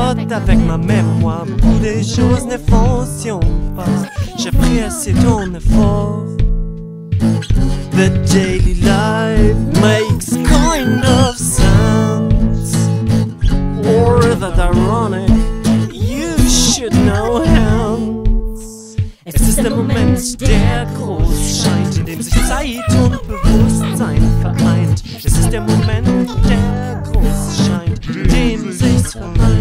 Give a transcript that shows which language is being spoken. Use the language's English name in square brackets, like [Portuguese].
[French] Avec ma mémoire, beaucoup de choses ne fonctionnent pas. J'apprécie ton effort. [English] The daily life makes kind of sense. Or that ironic, you should know him. [German] Es ist der Moment, der groß scheint, in dem sich Zeit und Bewusstsein vereint. Es ist der Moment, der groß scheint, in dem sich's vereint.